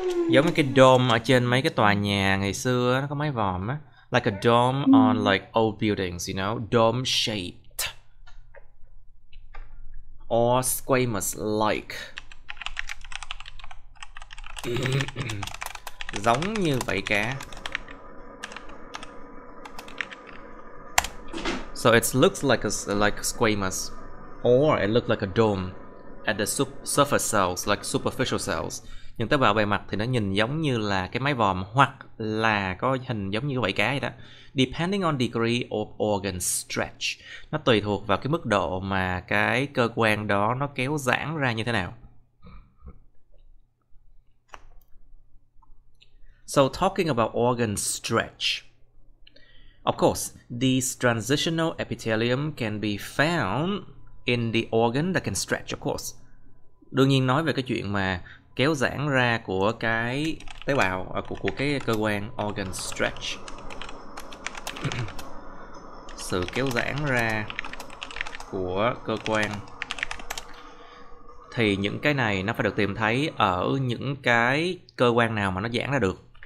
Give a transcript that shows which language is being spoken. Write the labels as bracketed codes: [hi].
[vi] Giống như cái dome ở trên mấy cái tòa nhà ngày xưa nó có mái vòm á. [en] Like a dome on like old buildings, you know, dome shaped. Or squamous like. [vi] Giống như vảy cá. [en] So it looks like squamous or it looks like a dome at the surface cells, like superficial cells. [vi] Những tế bào bề mặt thì nó nhìn giống như là cái mái vòm hoặc là có hình giống như cái vảy cá vậy đó. [en] Depending on degree of organ stretch. [vi] Nó tùy thuộc vào cái mức độ mà cái cơ quan đó nó kéo giãn ra như thế nào. [en] So talking about organ stretch. Of course, these transitional epithelium can be found in the organ that can stretch, of course. [vi] Đương nhiên nói về cái chuyện mà kéo giãn ra của cái tế bào của cái cơ quan organ stretch. Sự kéo giãn ra của cơ quan thì những cái này nó phải được tìm thấy ở những cái cơ quan nào mà nó giãn ra được.